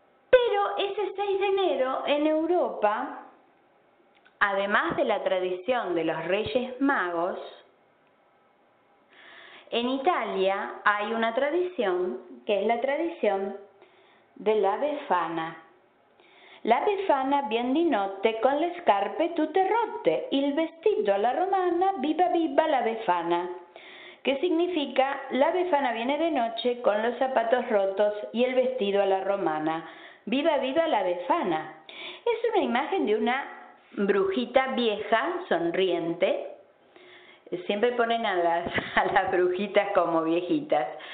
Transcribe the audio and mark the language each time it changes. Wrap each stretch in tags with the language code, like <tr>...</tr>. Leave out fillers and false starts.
<es>Pero ese 6 de enero en Europa, además de la tradición de los Reyes Magos, en Italia hay una tradición que es la tradición de la Befana.</es> <it>La Befana bien di notte con le scarpe tutte rotte, il vestito alla romana, viva viva la Befana.</it> <es>Que significa, la Befana viene de noche con los zapatos rotos y el vestido a la romana, viva viva la Befana. Es una imagen de una brujita vieja, sonriente. Siempre ponen a las brujitas como viejitas.</es>